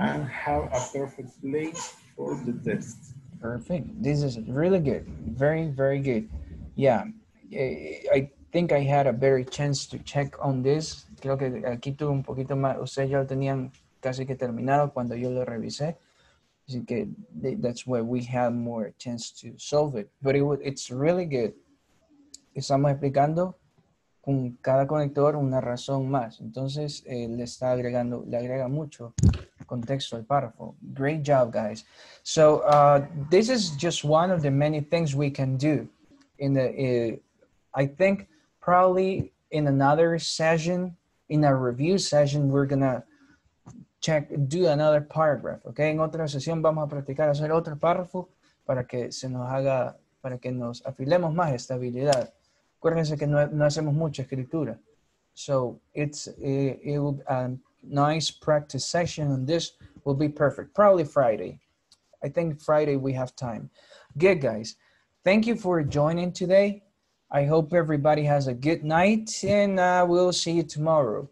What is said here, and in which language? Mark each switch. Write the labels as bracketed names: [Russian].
[English] and have a perfect place for the test. Perfect. This is really good. Very, very good. Yeah, I think I had a better chance to check on this. [Spanish] Creo que aquí tuve un poquito más. Ustedes ya lo tenían casi que terminado cuando yo lo revisé. Así que [English] that's why we had more chance to solve it. But it's really good. [Spanish] Estamos explicando con cada conector una razón más. Entonces le está agregando, le agrega mucho contexto al párrafo. [English] Great job, guys. So this is just one of the many things we can do. In the, I think probably in another session, in a review session, we're gonna check, do another paragraph. [Spanish] Okay, en otra sesión vamos a practicar hacer otro párrafo para que se nos haga, para que nos afilemos más esta habilidad. Acuérdense que no hacemos mucha escritura. [English] So it will be a nice practice session, and this will be perfect. Probably Friday. I think Friday we have time. Good, guys. Thank you for joining today. I hope everybody has a good night, and we'll see you tomorrow.